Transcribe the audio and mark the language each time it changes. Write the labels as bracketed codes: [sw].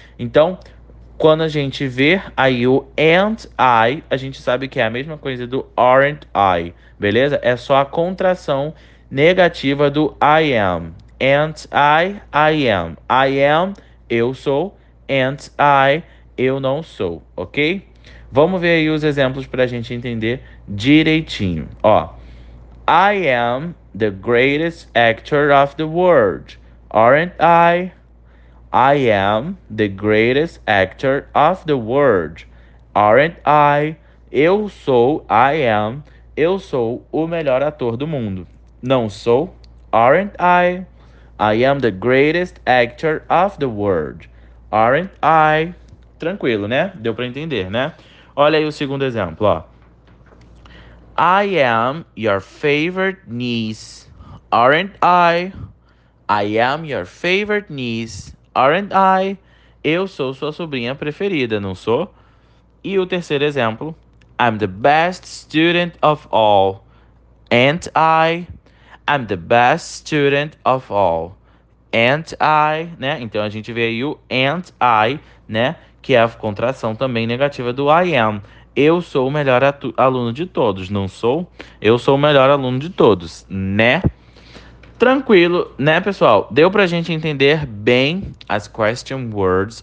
[pt] Então, quando a gente vê aí o [en] and I, [pt] a gente sabe que é a mesma coisa do [en] aren't I, [pt] beleza? É só a contração negativa do [en] I am. And I am. I am, [pt] eu sou. [en] And I, [pt] eu não sou, ok? Vamos ver aí os exemplos para a gente entender direitinho. [en] Ó, I am the greatest actor of the world, aren't I? I am the greatest actor of the world, aren't I? [pt] Eu sou, [en] I am, [pt] eu sou o melhor ator do mundo. Não sou, [en] aren't I? I am the greatest actor of the world, aren't I? [pt] Tranquilo, né? Deu para entender, né? Olha aí o segundo exemplo, ó. [en] I am your favorite niece, aren't I? I am your favorite niece, aren't I? [pt] Eu sou sua sobrinha preferida, não sou? E o terceiro exemplo. [en] I'm the best student of all, ain't I? I'm the best student of all, ain't I? [pt] Né? Então a gente vê aí o [en] ain't I, [pt] né? Que é a contração também negativa do [en] I am. [pt] Eu sou o melhor aluno de todos, não sou? Eu sou o melhor aluno de todos, né? Tranquilo, né, pessoal? Deu pra gente entender bem as question words.